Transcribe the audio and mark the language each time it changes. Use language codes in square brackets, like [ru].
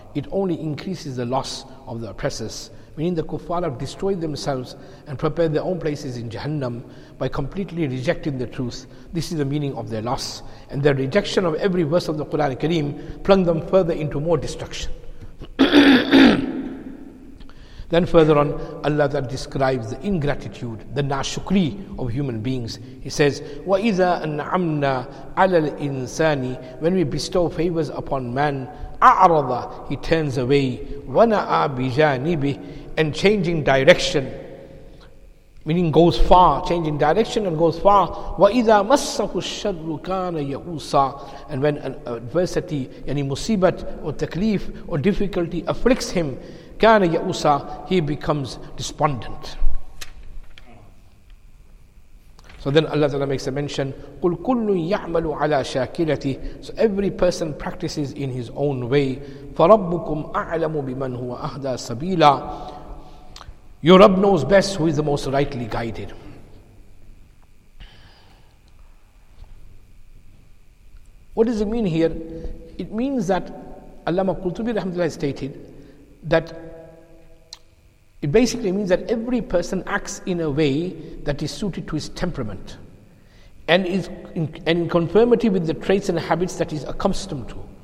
[en] It only increases the loss of the oppressors, meaning the kuffar have destroyed themselves and prepared their own places in Jahannam by completely rejecting the truth. This is the meaning of their loss. And their rejection of every verse of the Quran Kareem plunged them further into more destruction. Then further on, Allah that describes the ingratitude, the nashukri of human beings. He says, [ar] وَإِذَا أَنْعَمْنَا عَلَى الْإِنسَانِ. [en] When we bestow favors upon man, [ar] أَعْرَضَ, [en] he turns away, [ar] وَنَعَى بِجَانِبِهِ, [en] and changing direction, meaning goes far, changing direction and goes far. [ar] وَإِذَا مَسَّهُ الشَّرُّ كَانَ يَعُوسًا. [en] And when an adversity, any musibat or takleef or difficulty afflicts him, [ar] كَانَ يَعُوسًا, [en] he becomes despondent. So then Allah Ta'ala makes a mention, [ar] قُلْ كُلٌّ يَعْمَلُ عَلَى شَاكِلَتِهِ. [en] So every person practices in his own way. [ar] فَرَبُّكُمْ أَعْلَمُ بِمَنْ هُوَ أَهْدَى سَبِيلًا. [en] Your Rabb knows best who is the most rightly guided. What does it mean here? It means that Allama Qurtubi rahmatullah stated that it basically means that every person acts in a way that is suited to his temperament and is in conformity with the traits and habits that he's accustomed to.